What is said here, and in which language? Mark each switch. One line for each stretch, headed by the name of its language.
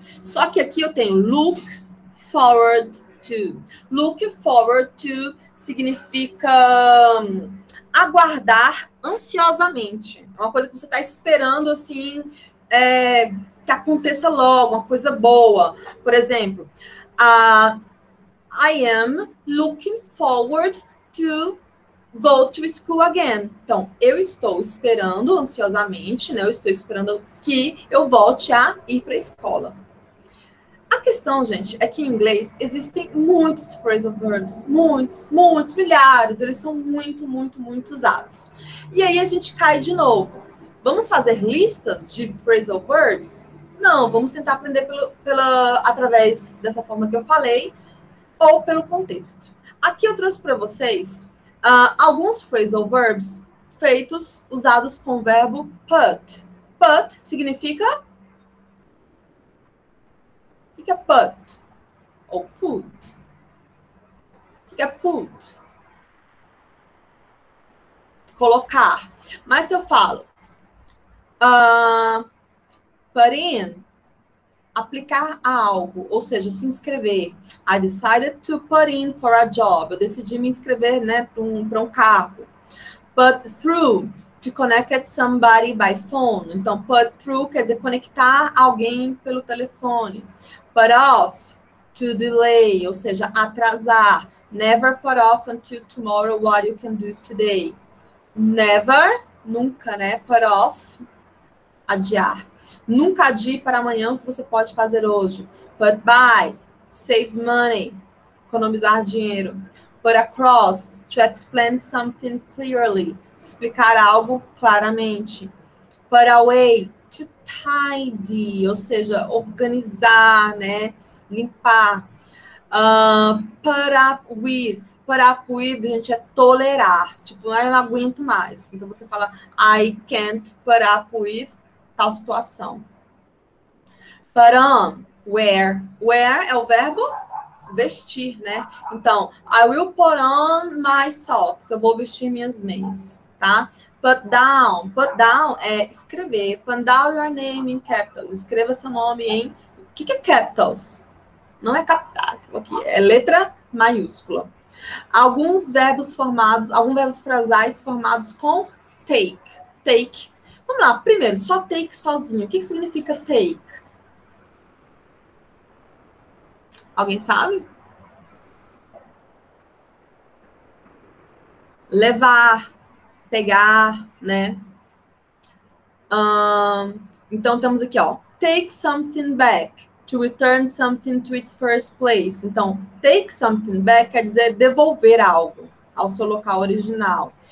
Portuguese: Só que aqui eu tenho look forward to. Look forward to significa aguardar ansiosamente. É uma coisa que você está esperando assim... que aconteça logo, uma coisa boa. Por exemplo,
English: I am looking forward to go to school again.
Portuguese: Então, eu estou esperando ansiosamente, né? Eu estou esperando que eu volte a ir para a escola. A questão, gente, é que em inglês existem muitos phrasal verbs, muitos, muitos, milhares. Eles são muito, muito, muito usados. E aí a gente cai de novo. Vamos fazer listas de phrasal verbs? Não, vamos tentar aprender através dessa forma que eu falei, ou pelo contexto. Aqui eu trouxe para vocês alguns phrasal verbs feitos, usados com o verbo put. Put significa? O que é put? Ou put? O que é put? Colocar. Mas se eu falo put in, aplicar a algo, ou seja, se inscrever.
English: I decided to put in for a job.
Portuguese: Eu decidi me inscrever, né, para um cargo.
English: Put through, to connect with somebody by phone.
Portuguese: Então, put through quer dizer conectar alguém pelo telefone.
English: Put off, to delay,
Portuguese: ou seja, atrasar.
English: Never put off until tomorrow what you can do today.
Portuguese: Never, nunca, né? Put off, adiar. Nunca adie para amanhã o que você pode fazer hoje.
English: Put by, save money,
Portuguese: economizar dinheiro.
English: Put across, to explain something clearly,
Portuguese: explicar algo claramente. Put away,
English: to tidy,
Portuguese: ou seja, organizar, né? Limpar.
English: Put up with.
Portuguese: Put up with, gente, é tolerar. Tipo, ah, eu não aguento mais. Então, você fala,
English: I can't put up with
Portuguese: tal situação.
English: Put on, wear.
Portuguese: Wear é o verbo vestir, né?
English: Então, I will put on my socks.
Portuguese: Eu vou vestir minhas meias, tá? Put down. Put down é escrever.
English: Put down your name in capitals.
Portuguese: Escreva seu nome em... O que é capitals? Não é capital aqui, é letra maiúscula. Alguns verbos formados, alguns verbos frasais formados com take. Take. Vamos lá, primeiro, só take sozinho. O que significa take? Alguém sabe? Levar, pegar, né? Então temos aqui, ó.
English: Take something back. To return something to its first place.
Portuguese: Então, take something back quer dizer devolver algo ao seu local original.